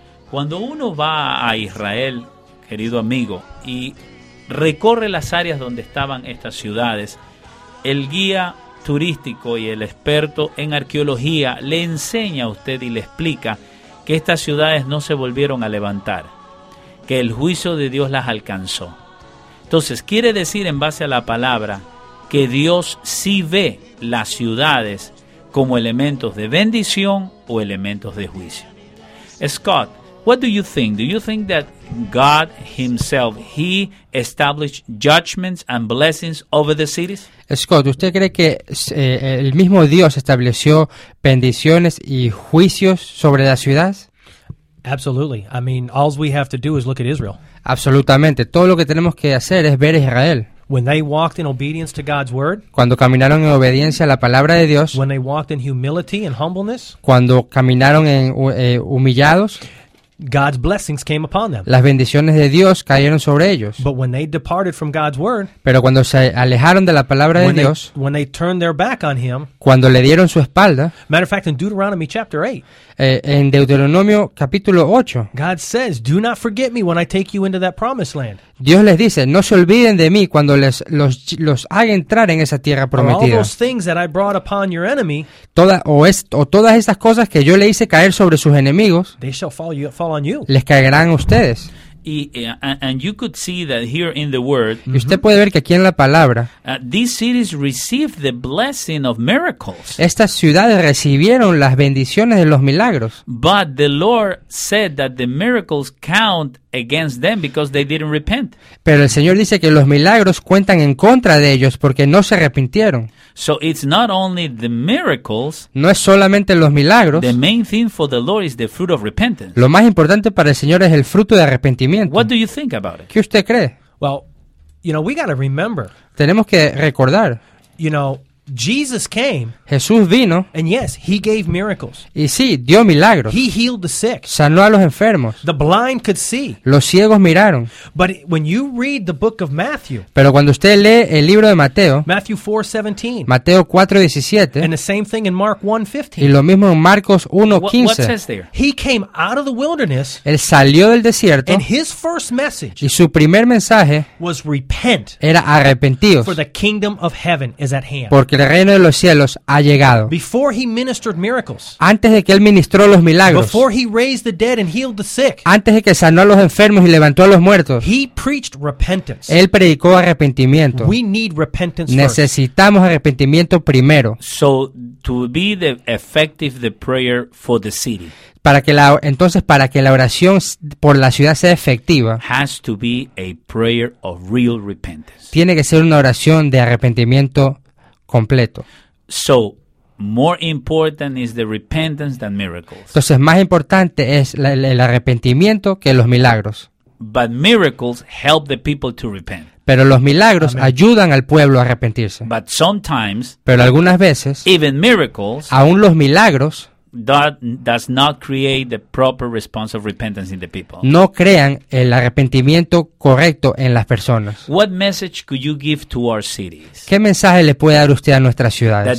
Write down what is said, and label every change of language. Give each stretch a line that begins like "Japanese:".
Spanish: Cuando uno va a Israel, querido amigo, y recorre las áreas donde estaban estas ciudades, el guía turístico y el experto en arqueología le enseña a usted y le explica que estas ciudades no se volvieron a levantar, que el juicio de Dios las alcanzó. Entonces, quiere decir, en base a la palabra, que Dios sí ve las ciudades como elementos de bendición o elementos de juicio.
English: Scott, what do you think? Do you think that God himself, he established judgments and blessings over the cities?
Spanish: Scott, ¿usted cree que el mismo Dios estableció bendiciones y juicios sobre las ciudades?
English: Absolutely. I mean, all we have to do is look at Israel.
Spanish: Absolutamente. Todo lo que tenemos que hacer es ver Israel.
English: When they walked in obedience to God's word,
Spanish: cuando caminaron en obediencia a la palabra de Dios,
English: when they walked in humility and humbleness,
Spanish: cuando caminaron en humillados,
English: God's blessings came upon them.
Spanish: Las bendiciones de Dios cayeron sobre ellos.
English: But when they departed from God's word,
Spanish: pero cuando se alejaron de la palabra de Dios,
English: when they turned their back on him,
Spanish: cuando le dieron su espalda,
English: matter of fact, in Deuteronomy chapter 8,
Spanish: en Deuteronomio capítulo 8,
English: God says, "Do not forget me when I take you into that promised land."
Spanish: Dios les dice: no se olviden de mí cuando los haga entrar en esa tierra prometida.
English: All those things that I brought upon your enemy,
Spanish: todas esas cosas que yo le hice caer sobre sus enemigos,
English: they shall fall on you.
Spanish: Les caerán a ustedes.
English: And you could see that here in the word.
Spanish: Y usted puede ver que aquí en la palabra.
English: These cities received the blessing of miracles.
Spanish: Estas ciudades recibieron las bendiciones de los milagros.
English: But the Lord said that the miracles count against them because they didn't repent.
Spanish: Pero el Señor dice que los milagros cuentan en contra de ellos porque no se arrepintieron.
English: So it's not only the miracles.
Spanish: No es solamente los milagros.
English: The main thing for the Lord is the fruit of repentance.
Spanish: Lo más importante para el Señor es el fruto de arrepentimiento.
English: What do you think about it?
Spanish: ¿Qué usted cree?
English: Well, you know, we got to remember.
Spanish: Tenemos que recordar.
English: You know, Jesus came.
Spanish: Jesús vino.
English: And yes, he gave miracles.
Spanish: Y sí, dio milagros.
English: He healed the sick.
Spanish: Sanó a los enfermos.
English: The blind could see.
Spanish: Los ciegos miraron.
English: But when you read the book of Matthew.
Spanish: Pero cuando usted lee el libro de Mateo.
English: Matthew 4:17.
Spanish: Mateo 4:17.
English: And the same thing in Mark 1:15.
Spanish: Y lo mismo en Marcos 1:15.
English: What says there? He came out of the wilderness.
Spanish: Él salió del desierto.
English: And his first message.
Spanish: Y su primer mensaje.
English: Was repent.
Spanish: Era arrepentíos.
English: For the kingdom of heaven is at hand.
Spanish: Porque el reino de los cielos ha llegado.
English: Before he ministered miracles,
Spanish: antes de que él ministró los milagros.
English: Before he raised the dead and healed the sick,
Spanish: antes de que sanó a los enfermos y levantó a los muertos.
English: He preached repentance.
Spanish: Él predicó arrepentimiento.
English: We need repentance
Spanish: Necesitamos
English: first.
Spanish: Arrepentimiento primero.
English: So, to be the effective the prayer for the city.
Spanish: Para que la oración por la ciudad sea efectiva,
English: has to be a prayer of real repentance.
Spanish: Tiene que ser una oración de arrepentimiento completo.
English: So, more important is the repentance than miracles.
Spanish: Entonces, más importante es el arrepentimiento que los milagros.
English: But miracles help the people to repent.
Spanish: Pero los milagros Amen. Ayudan al pueblo a arrepentirse.
English: But sometimes,
Spanish: pero algunas veces,
English: even miracles,
Spanish: aún los milagros,
English: that does not create the proper response of repentance in the people.
Spanish: No crean el arrepentimiento correcto en las personas.
English: What message could you give to our cities?
Spanish: ¿Qué mensaje le puede dar usted a nuestras ciudades?